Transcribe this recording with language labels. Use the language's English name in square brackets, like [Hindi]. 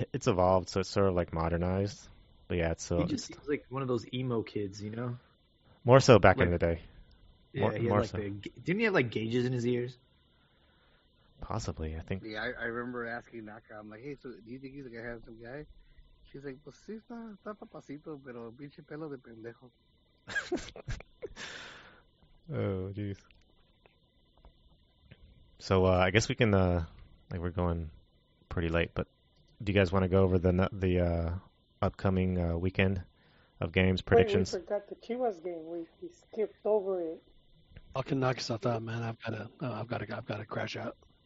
[English] It's evolved, so it's sort of like modernized. But yeah, so he just seems like one of those emo kids, you know? More so back in the day. Yeah, didn't he have like gauges in his ears? Possibly, I think. Yeah, I remember asking Naka. I'm like, hey, so do you think he's like a handsome guy? She's like, [Spanish] pues sí, está papacito, pero pinche pelo de pendejo. [English] Oh, jeez. So I guess we can, like, we're going pretty late, but do you guys want to go over the upcoming weekend of games, predictions? Wait, we forgot the Chivas game. We skipped over it. I'll can knock yourself out, man. I've got to crash out.